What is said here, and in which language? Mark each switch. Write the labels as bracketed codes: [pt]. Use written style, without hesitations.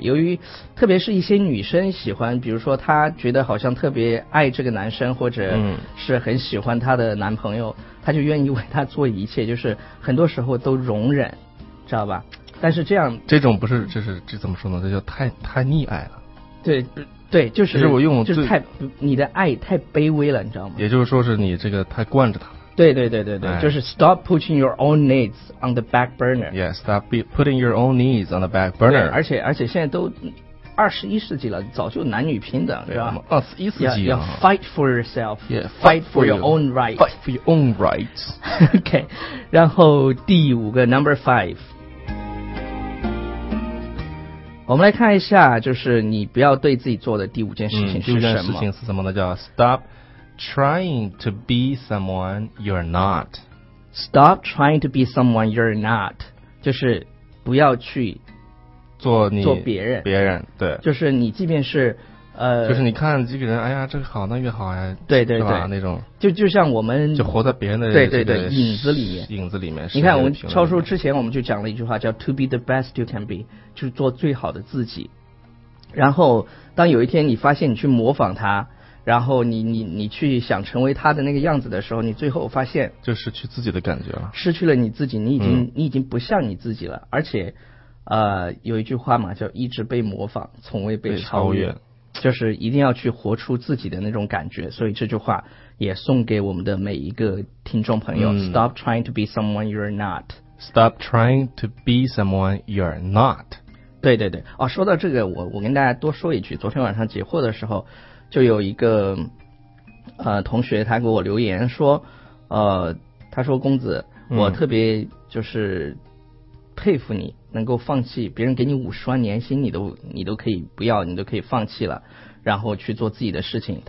[zh] 由于特别是一些女生喜欢，比如说她觉得好像特别爱这个男生，或者是很喜欢她的男朋友，她就愿意为他做一切，就是很多时候都容忍，知道吧？但是这样，这种不是就是这怎么说呢？这叫太溺爱了。对对，就是。其实我用就是太你的爱太卑微了，你知道吗？也就是说是你这个太惯着他了。对对对对对，哎，就是 [en] stop putting your own needs on the back burner. Yes, stop putting your own needs on the back burner. [zh] 而且现在都21世纪了，早就男女平等，是吧？ 21世纪了。要 [en] fight for yourself. Yeah, fight for your own right. Fight for your own rights. Okay, [zh] 然后第五个 [en] number five. [zh] 我们来看一下，就是你不要对自己做的第五件事情是什么？第五件事情是什么呢？叫 [en] stop trying to be someone you're not. Stop trying to be someone you're not. [zh] 就是不要去做你做别人。别人对。就是你即便是就是你看这个人，哎呀，这个好，那个好呀，哎。对对对，那种。就像我们就活在别人的对对对影子里面。影子里面。你看，我们超叔之前我们就讲了一句话，叫 [en] "To be the best you can be"。 [zh] 就是做最好的自己，然后当有一天你发现你去模仿他，然后你去想成为他的那个样子的时候，你最后发现就失去自己的感觉了，失去了你自己，你已经不像你自己了。而且有一句话嘛，叫一直被模仿，从未被超越，就是一定要去活出自己的那种感觉。所以这句话也送给我们的每一个听众朋友， [en] Stop trying to be someone you're not Stop trying to be someone you're not. [zh] 对对对，哦，说到这个，我跟大家多说一句，昨天晚上解惑的时候，就有一个同学他给我留言说，他说公子，我特别就是佩服你，能够放弃别人给你50万年薪，你都可以不要，你都可以放弃了，然后去做自己的事情。